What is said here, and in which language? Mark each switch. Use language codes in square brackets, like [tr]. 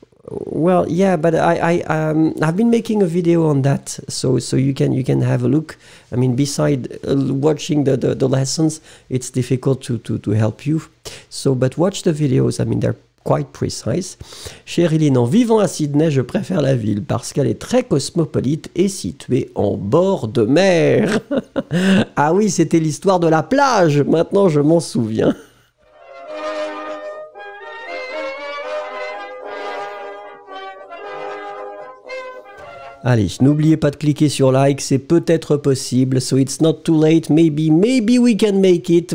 [en] Well, yeah, but I've been making a video on that, so you can have a look. I mean, beside watching the lessons, it's difficult to help you. So, but watch the videos. I mean, they're quite precise. [fr] Cherylyn, en vivant à Sydney, je préfère la ville parce qu'elle est très cosmopolite et située en bord de mer. Ah oui, c'était l'histoire de la plage. Maintenant, je m'en souviens. Allez, n'oubliez pas de cliquer sur like, c'est peut-être possible. [en] So it's not too late, maybe we can make it.